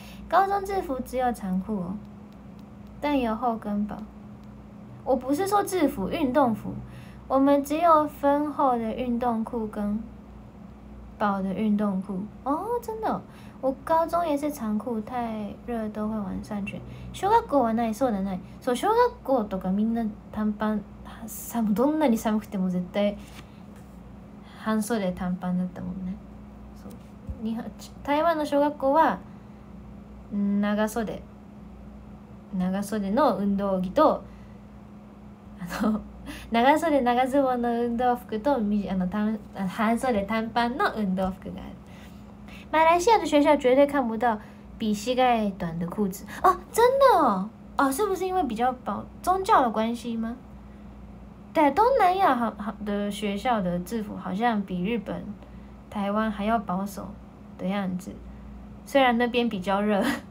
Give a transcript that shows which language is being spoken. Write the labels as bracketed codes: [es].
[zh] 高中制服只有长裤哦，但有后跟包。我不是说制服，运动服，我们只有分厚的运动裤跟薄的运动裤。哦，真的、哦，我高中也是长裤，太热都会往上卷。 [ja] 小学校はない、そうだない。そう、小学校とかみんな短パン、寒、どんなに寒くても絶対。半袖短パンだったもんね。そう、台湾の小学校は長袖の運動着と、あの長袖長ズボンの運動服と、あの半袖短パンの運動服がある。 [zh] 马来西亚的学校绝对看不到比膝盖短的裤子。あ、真的？あ、是不是因为比较薄？宗教的关系吗？对，东南亚的学校的制服好像比日本、台湾还要保守的样子，虽然那边比较热。